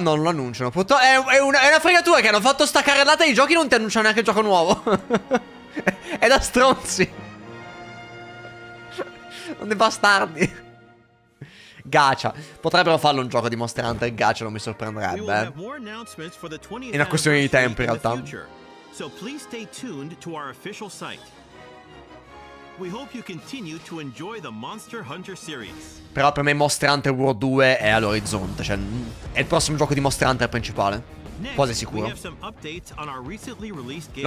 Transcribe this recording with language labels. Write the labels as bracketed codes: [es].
[it] Non lo annunciano, purtroppo. È una fregatura che hanno fatto sta carrellata di giochi e non ti annunciano neanche il gioco nuovo. È da stronzi. Non dei bastardi. Gacha. Potrebbero farlo un gioco di Monster Hunter Gacha, non mi sorprenderebbe. È una questione di tempo in realtà. [en] So please stay tuned to our official site. We hope you continue to enjoy the Monster Hunter series. [it] Però per me Monster Hunter World 2 è all'orizzonte, cioè è il prossimo gioco di Monster Hunter principale. [en] Next, [it] quasi sicuro. [en] We have some updates on our recently released game.